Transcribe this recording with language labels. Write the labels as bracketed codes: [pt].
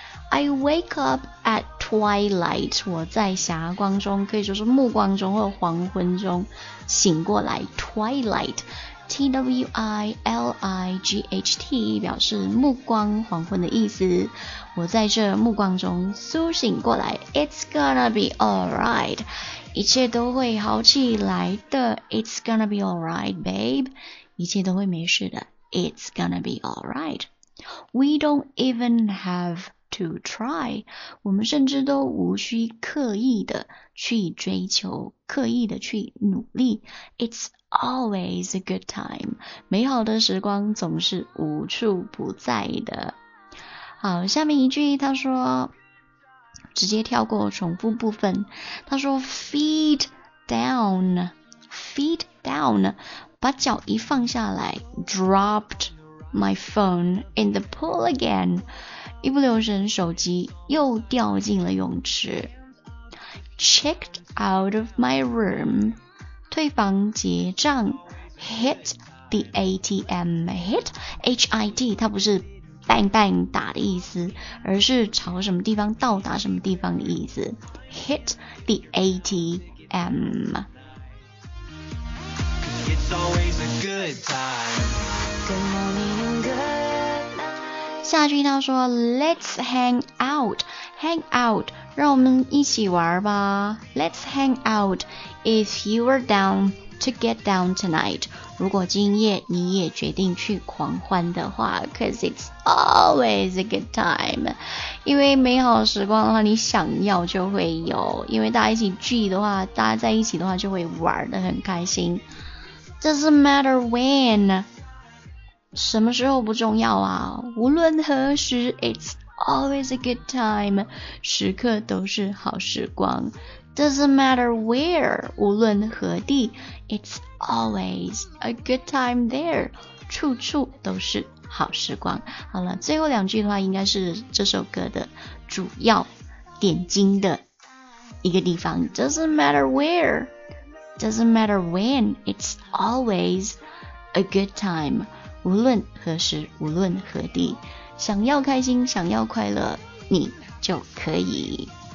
[en] I wake up at twilight， [zh] 我在霞光中，可以说是暮光中或黄昏中醒过来。 twilight T-W-I-L-I-G-H-T 表示暮光黄昏的意思，我在这暮光中苏醒过来。 [en] It's gonna be alright， [zh] 一切都会好起来的。 [en] It's gonna be alright babe， [zh] 一切都会没事的。 [en] It's gonna be alright， We don't even have to try， [zh] 我们甚至都无需刻意的去追求，刻意的去努力。 [en] It's always a good time， [zh] 美好的时光总是无处不在的。好，下面一句他说，直接跳过重复部分。他说 [en] feet down， feet down， [zh] 把脚一放下来。 [en] dropped my phone in the pool again， [zh] 一不留神手机又掉进了泳池。 [en] checked out of my room， [zh] 退房结账。 [en] hit the ATM， [zh] hit H-I-T， 它不是 [en] bang bang [zh] 打的意思，而是朝什么地方到达什么地方的意思。 [en] hit the ATM。 It's always a good time. Good morning, good. [zh] 下句他说 [en] Let's hang out， [zh] hang out 让我们一起玩吧。 [en] Let's hang out if you are down to get down tonight， [zh] 如果今夜你也决定去狂欢的话。 [en] Cause it's always a good time， [zh] 因为美好时光的话你想要就会有，因为大家一起聚的话，大家在一起的话就会玩得很开心。 [en] Doesn't matter when， [zh] 什么时候不重要啊，无论何时。 [en] It's always a good time， [zh] 时刻都是好时光。 [en] Doesn't matter where， [zh] 无论何地。 [en] It's always a good time there， [zh] 处处都是好时光。好了，最后两句的话应该是这首歌的主要点睛的一个地方。 [en] Doesn't matter where， Doesn't matter when， It's always a good time， [zh] 无论何时无论何地，想要开心想要快乐你就可以。